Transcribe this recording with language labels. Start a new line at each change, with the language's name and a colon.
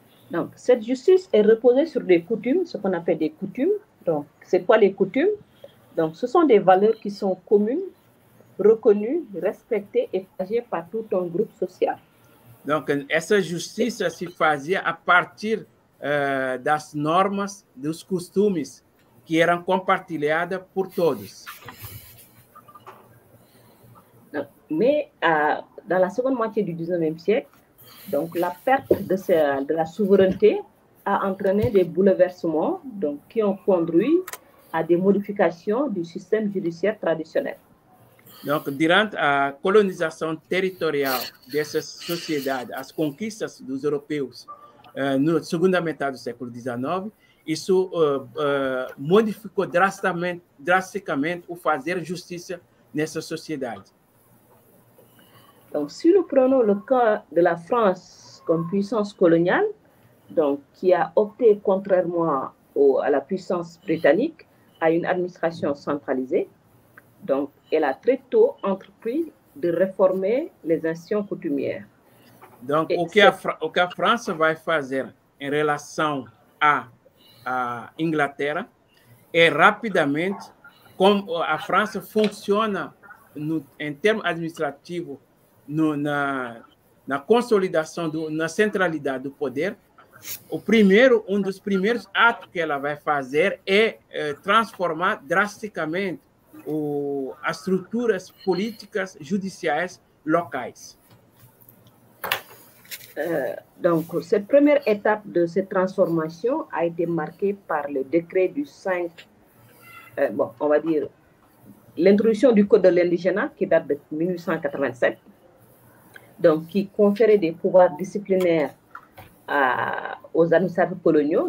French: Donc, cette justice est reposée sur des coutumes, ce qu'on appelle des coutumes. Donc, c'est quoi les coutumes? Donc, ce sont des valeurs qui sont communes, reconnues, respectées et partagées par tout un groupe social.
Portuguese: Donc, essa justiça se fazia a partir das normas, dos costumes que eram compartilhadas por todos.
French: Mais dans la seconde moitié du 19e siècle, donc la perte de, ce, de la souveraineté a entraîné des bouleversements donc, qui ont conduit à des modifications du système judiciaire traditionnel. Donc, durant la colonisation territoriale de ces sociétés, les conquistes des Européens,
Portuguese: na segunda metade do século XIX, isso modificou drasticamente o fazer justiça nessa sociedade. Então, se nós
French: prenons le cas de la France comme puissance coloniale, donc qui a opté contrairement à la puissance britannique à une administration centralisée, donc elle a très tôt entrepris de réformer les anciennes coutumières.
Portuguese: Donc, o que a França vai fazer em relação à Inglaterra é rapidamente, como a França funciona no, em termos administrativos na consolidação, na centralidade do poder, um dos primeiros atos que ela vai fazer é transformar drasticamente as estruturas políticas judiciais locais.
French: Donc, cette première étape de cette transformation a été marquée par le décret du 5, on va dire, l'introduction du Code de l'indigénat qui date de 1887, donc qui conférait des pouvoirs disciplinaires aux administrateurs coloniaux.